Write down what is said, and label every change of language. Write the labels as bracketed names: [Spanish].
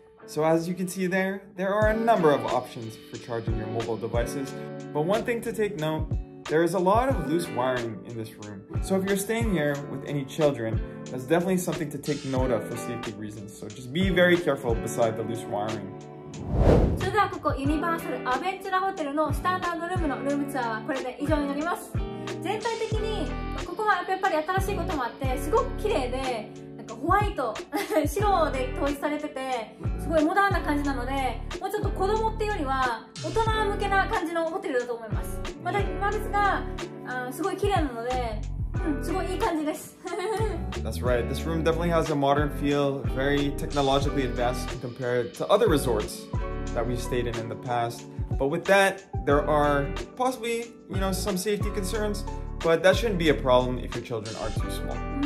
[English] So as you can see there, there are a number of options for charging your mobile devices. But one thing to take note, there is a lot of loose wiring in this room. So if you're staying here with any children, that's definitely something to take note of for safety reasons. So just be very careful beside the loose wiring. [Japanese] それではここユニバーサルアベンチュラホテルのスタンダードルームのルームツアーはこれで以上になります。全体的にここはやっぱり新しいこともあってすごく綺麗で、なんかホワイト白で統一されててすごいモダンな感じなので、もうちょっと子供っていうよりは大人向けな感じのホテルだと思います。また今ですがすごい綺麗なので、すごいいい感じです [English] That's right. This room definitely has a modern feel, very technologically advanced compared to other resorts that we've stayed in the past. But with that, there are possibly, you know, some safety concerns, but that shouldn't be a problem if your children are too small.